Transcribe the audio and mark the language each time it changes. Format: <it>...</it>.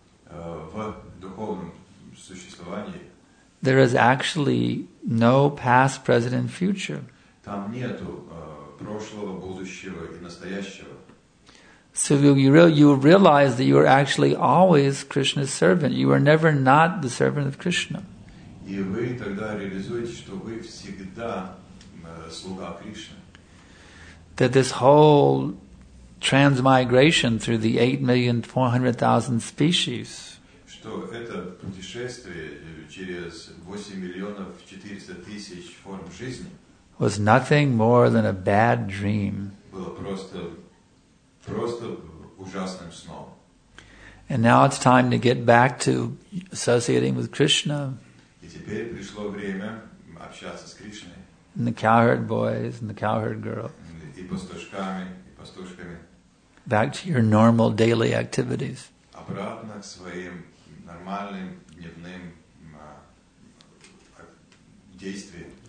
<ru>В духовном существовании.</ru> <en>There is actually no past, present, and future.</en> <ru>Там нету прошлого, будущего и настоящего.</ru> <en>So you will realize that you are actually always Krishna's servant. You are never not the servant of Krishna.</en> <ru>И вы тогда реализуете, что вы всегда слуга Кришны.</ru> <en>That this whole transmigration through the 8,400,000 species.</en> <ru>Что это путешествие через 8,400,000 форм жизни.</ru> <en>Was nothing more than a bad dream.</en> <ru>Было просто. Просто ужасным сном.</ru> <en>And now it's time to get back to associating with Krishna.</en> <ru>И теперь пришло время общаться с Кришной.</ru> <en>And the cowherd boys and the cowherd girls.</en> <ru>И пастушками, и пастушками.</ru> <en>Back to your normal daily activities.</en> <ru>Обратно к своим нормальным дневным действиям.</ru>